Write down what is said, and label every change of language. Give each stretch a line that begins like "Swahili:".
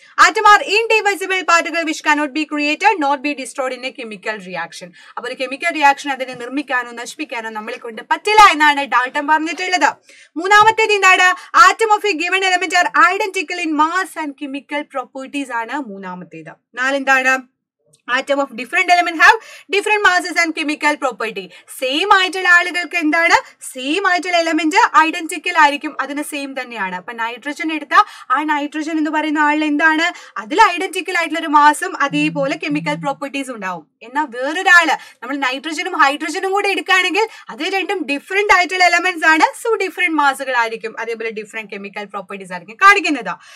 English: Atom are indivisible particle which cannot be created not be destroyed in a chemical reaction.
Malayalam: അപ്പൊ ഒരു chemical reaction അതിനെ നിർമ്മിക്കാനോ നശിപ്പിക്കാനോ നമ്മളെ കൊണ്ട് പറ്റില്ല എന്നാണ് ഡാൽട്ടൻ പറഞ്ഞിട്ടുള്ളത്. മൂന്നാമത്തേത് എന്താണ്?
English: atom of a given element are identical in mass and chemical properties
Malayalam: ആണ് മൂന്നാമത്തേത്. നാലെന്താണ്?
English: Atom of different element have different masses and chemical property.
Malayalam: Same ആയിട്ടുള്ള ആളുകൾക്ക് എന്താണ് സെയിം ആയിട്ടുള്ള എലമെന്റ് ഐഡന്റിക്കൽ ആയിരിക്കും അതിന് സെയിം തന്നെയാണ് അപ്പൊ നൈട്രജൻ എടുത്താൽ ആ നൈട്രജൻ എന്ന് പറയുന്ന ആളിൽ എന്താണ് അതിൽ ഐഡന്റിക്കൽ ആയിട്ടുള്ള ഒരു മാസും അതേപോലെ കെമിക്കൽ പ്രോപ്പർട്ടീസ് ഉണ്ടാവും എന്നാൽ വേറൊരാള് നമ്മൾ നൈട്രജനും ഹൈഡ്രജനും കൂടെ എടുക്കുകയാണെങ്കിൽ അത് രണ്ടും ഡിഫറെന്റ് ആയിട്ടുള്ള എലമെന്റ്സ് ആണ് സോ ഡിഫറെന്റ് മാസുകളായിരിക്കും അതേപോലെ ഡിഫറെന്റ് കെമിക്കൽ പ്രോപ്പർട്ടീസ് ആയിരിക്കും കാണിക്കുന്നത്